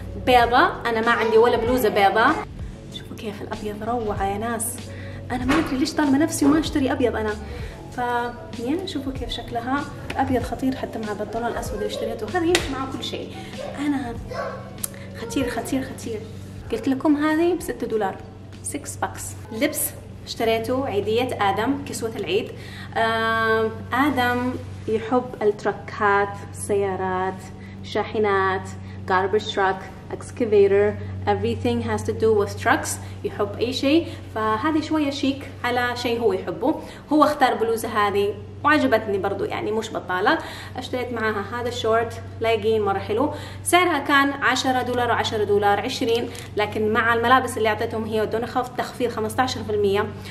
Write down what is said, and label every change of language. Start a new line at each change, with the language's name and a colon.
Arabic: بيضة، انا ما عندي ولا بلوزة بيضة، شوفوا كيف الابيض روعة يا ناس، انا ما ادري ليش طالما نفسي وما اشتري ابيض انا، ف يعني شوفوا كيف شكلها، الابيض خطير حتى مع البنطلون الاسود اللي اشتريته، هذا يمشي مع كل شيء، انا خطير خطير خطير، قلت لكم هذه ب $6 $6. لبس اشتريته عيدية آدم كسوة العيد، آدم يحب التركات سيارات شاحنات
English: garbage truck excavator, everything has to do with trucks.
Arabic: يحب أي شيء. فهذه شوية شيك على شيء هو يحبه. هو اختار بلوزة هذه وعجبتني برضو, يعني مش بطالة. اشتريت معها هذا الشورت لاجين مرة حلو. سعرها كان $10 و$10 و$20, لكن مع الملابس اللي اعطيتهم هي ودون خفض تخفيض 15%.